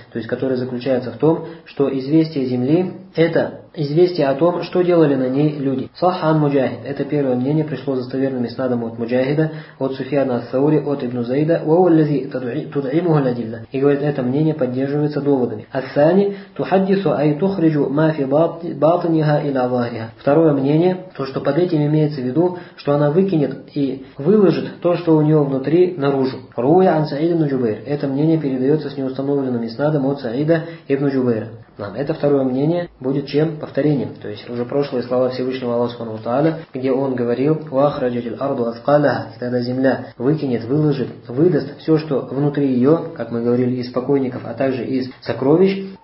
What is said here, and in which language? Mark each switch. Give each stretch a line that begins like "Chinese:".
Russian: То есть, которое заключается в том, что известие земли – это известие о том, что делали на ней люди.
Arabic: صح عن مجاهد.
Russian: Это первое мнение пришло достоверным иснадом от Муджахида, от Суфьяна ас-Саури, от Ибн Зайда.
Arabic: وهو الذي تدعمه الأدلة.
Russian: И говорит, это мнение поддерживается доводами.
Arabic: الثاني تحدث أي تخرج ما في باطنها إلى ظاهرها.
Russian: Второе мнение, то, что под этим имеется в виду, что она выкинет и выложит то, что у нее внутри, наружу.
Arabic: روي عن سعيد بن جبير.
Russian: Это мнение передается с неустановленным иснадом от Саида ибн Джубейра. Это второе мнение будет чем? Повторением. То есть уже прошлые слова Всевышнего Аллаха Субхана ва Тааля, где он говорил:
Arabic: «Вахраджатил арду асқалаха»,
Russian: и тогда земля выкинет, выложит, выдаст все, что внутри ее, как мы говорили, из покойников, а также из сокровищ.